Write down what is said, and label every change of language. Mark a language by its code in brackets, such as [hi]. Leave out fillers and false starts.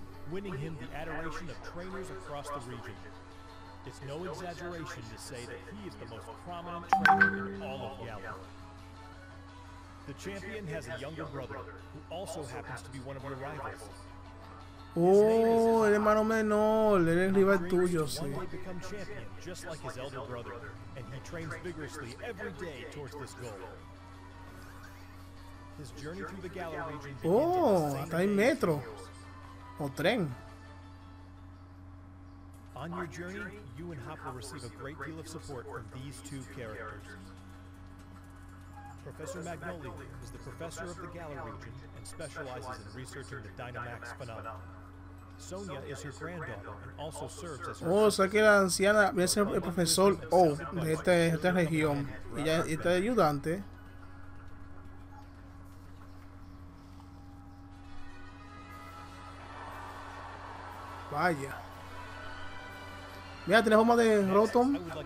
[en] Winning him the adoration of trainers across the region. It's no exaggeration to say that he is the most prominent trainer in all of Galar. The champion has a younger brother, who also happens to be one of your rivals. [es] Oh, el hermano menor, el rival tuyo, sí. [en] He wants to become champion just like his elder brother, and he trains vigorously every day towards this goal. His journey through the Galar region begins at the same time. [es] Oh, está en metro. O tren. [en] On your journey, you and Hop will receive a great deal of support from these two characters. Professor Magnoli is the professor of the Galar region and specializes in researching the Dynamax phenomenon. Sonia is her granddaughter and also serves as. [es] Oh, sea que la anciana es el profesor O de esta región. Ella está ayudante. Vaya. Mira, tiene forma de Rotom.